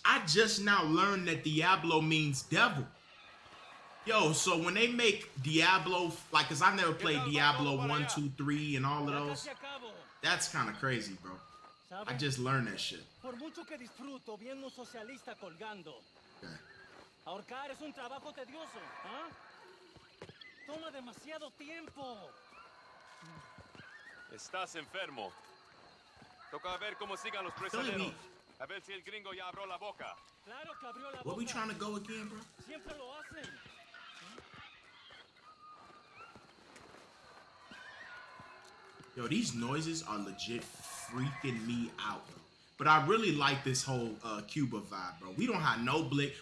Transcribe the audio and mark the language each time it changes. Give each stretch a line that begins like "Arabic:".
English: I just now learned that Diablo means devil. Yo, so when they make Diablo, like, because I never played Diablo 1, 2, 3, and all of those, that's kind of crazy, bro. I just learned that shit.
Spanish: Por mucho que disfruto viendo un socialista colgando. Ahorcar es un trabajo tedioso, ¿eh? Toma demasiado tiempo. Estás enfermo. Toca a ver cómo sigan los prisioneros. A ver si el gringo ya abrió la boca. Claro que abrió la boca.
English: What are we trying to go again, bro?
Spanish: Siempre lo hacen.
English: Yo, these noises are legit freaking me out. But I really like this whole Cuba vibe, bro. We don't have no blick.